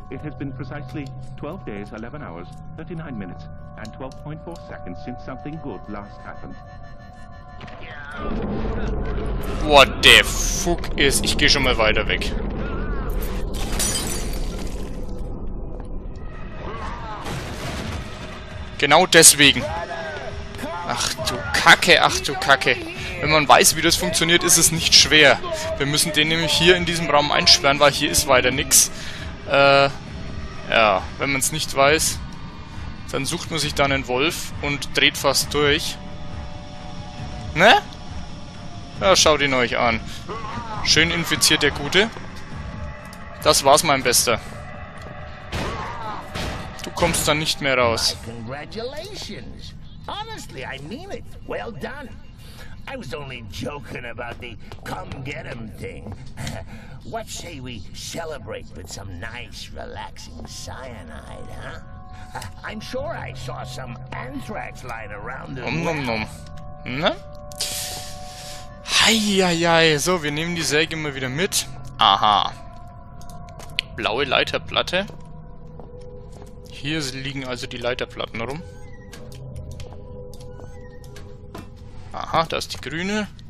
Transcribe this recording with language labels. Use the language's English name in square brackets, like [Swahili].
[English] It has been precisely 12 days, 11 hours, 39 minutes, and 12.4 seconds since something good last happened. What the fuck is... [German] Ich geh schon mal weiter weg. Genau deswegen. Ach du Kacke. Wenn man weiß, wie das funktioniert, ist es nicht schwer. Wir müssen den nämlich hier in diesem Raum einsperren, weil hier ist weiter nichts. Ja, wenn man es nicht weiß, dann sucht man sich da einen Wolf und dreht fast durch. Ne? Ja, schaut ihn euch an. Schön infiziert der Gute. Das war's, mein Bester. Du kommst da nicht mehr raus. [English] Congratulations. Honestly, I mean it. Well done. I was only joking about the come get 'em thing. What say we celebrate with some nice relaxing cyanide, huh? I'm sure I saw some anthrax light around the room. Nom. Ne? [German] Heieiei, so, wir nehmen die Säge mal wieder mit. Aha. Blaue Leiterplatte. Hier liegen also die Leiterplatten rum. Aha, da ist die grüne.